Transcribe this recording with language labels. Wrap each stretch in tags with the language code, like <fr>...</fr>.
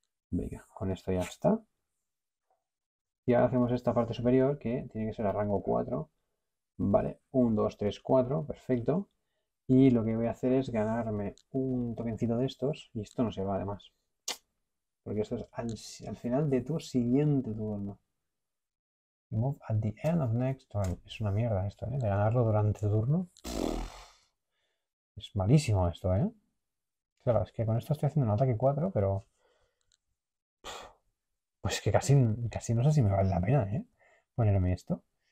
<es>Venga, con esto ya está. Y ahora hacemos esta parte superior que tiene que ser a rango 4. Vale, 1, 2, 3, 4. Perfecto. Y lo que voy a hacer es ganarme un tokencito de estos. Y esto no se va, además. Porque esto es al final de tu siguiente turno.</es> <en>Move at the end of next turn.</en> <es>Es una mierda esto, ¿eh? De ganarlo durante tu turno. Es malísimo esto, ¿eh? Claro, es que con esto estoy haciendo un ataque 4, pero. Pues que casi no sé si me vale la pena, ¿eh? Ponerme esto.</es>